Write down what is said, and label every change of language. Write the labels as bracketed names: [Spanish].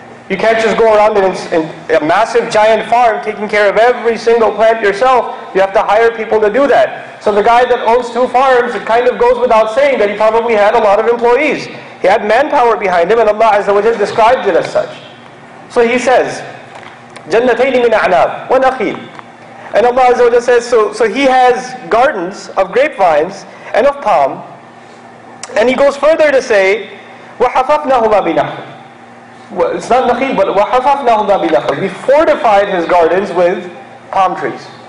[English] You can't just go around in a massive giant farm taking care of every single plant yourself. You have to hire people to do that. So the guy that owns two farms, it kind of goes without saying that he probably had a lot of employees. He had manpower behind him, and Allah Azza wa Jalla described it as such. [Arabic] So he says, جَنَّتَيْنِ مِنْ أَعْنَابٍ وَنَخِيلٍ. [English] And Allah Azza wa Jalla says, so he has gardens of grapevines and of palm. [Arabic] And he goes further to say, وَحَفَفْنَهُمَا بِنَخْلٍ. [English] Well, it's not نَخِيلٍ, but [Arabic] وَحَفَفْنَهُمَا بِنَخْلٍ. [English] We fortified his gardens with palm trees.